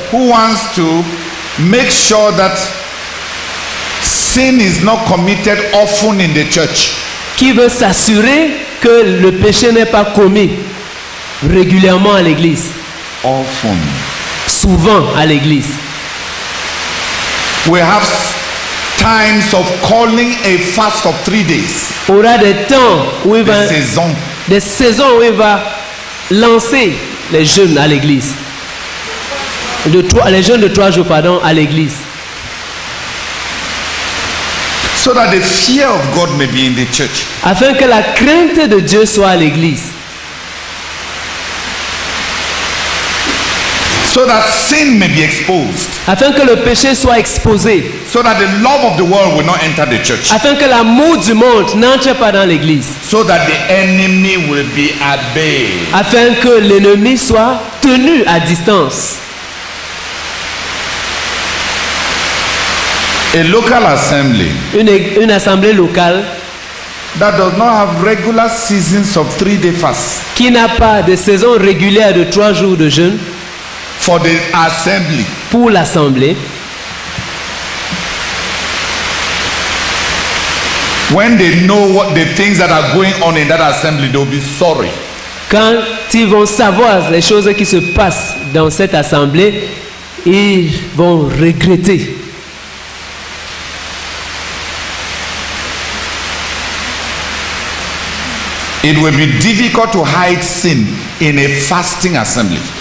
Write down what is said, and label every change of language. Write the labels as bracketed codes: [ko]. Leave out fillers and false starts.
[en] Who wants to make sure that sin is not committed often in the church. [fr] Qui veut s'assurer que le péché n'est pas commis régulièrement à l'église. [en] Often. [fr] Souvent à l'église. [en] We have times of calling a fast of 3 days. [fr] Aura des temps où il va, des saisons où il va lancer les jeunes à l'église. Les jeunes de 3 jours, pardon, à l'église. [en] So that the fear of God may be in the church. [fr] Afin que la crainte de Dieu soit à l'église. [en] So that sin may be exposed. [fr] Afin que le péché soit exposé. [en] So that the love of the world will not enter the church. [fr] Afin que l'amour du monde n'entre pas dans l'église. [en] So that the enemy will be at bay. [fr] Afin que l'ennemi soit tenu à distance. [en] A local assembly. [fr] Une assemblée locale. [en] That does not have regular seasons of 3 day fast. [fr] Qui n'a pas de saison régulière de 3 jours de jeûne. [en] For the assembly. [fr] Pour l'assemblée. [en] When they know what the things that are going on in that assembly, they'll be sorry. [fr] Quand ils vont savoir les choses qui se passent dans cette assemblée, ils vont regretter. [en] It will be difficult to hide sin in a fasting assembly.